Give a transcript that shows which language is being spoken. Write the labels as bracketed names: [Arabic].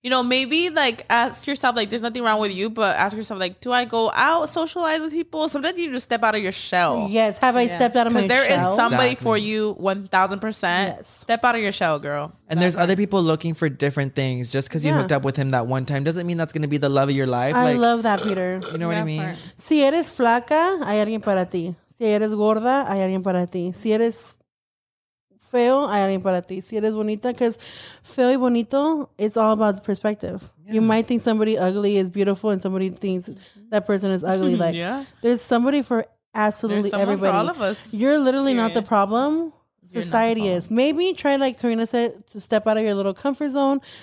[English] you know, maybe like ask yourself, like, there's nothing wrong with you, but ask yourself, like, do I go out, socialize with people? Sometimes you need to step out of your shell. Yes. Have I stepped out of my shell? Because there is somebody for you 1000%. Yes. Step out of your shell, girl. And there's other people looking for different things. Just because you hooked up with him that one time doesn't mean that's going to be the love of your life. I love that, Peter. You know what I mean? [Spanish] Si eres flaca, hay alguien para ti. Si eres gorda, hay alguien para ti. Si eres feo, hay alguien para ti. Si eres bonita, [English] because [Spanish] feo y bonito, [English] it's all about the perspective. Yeah. You might think somebody ugly is beautiful and somebody thinks that person is ugly. Like, there's somebody for absolutely everybody. For all of us. You're literally not the problem. You're society the problem. Is. Maybe try, like Karina said, to step out of your little comfort zone.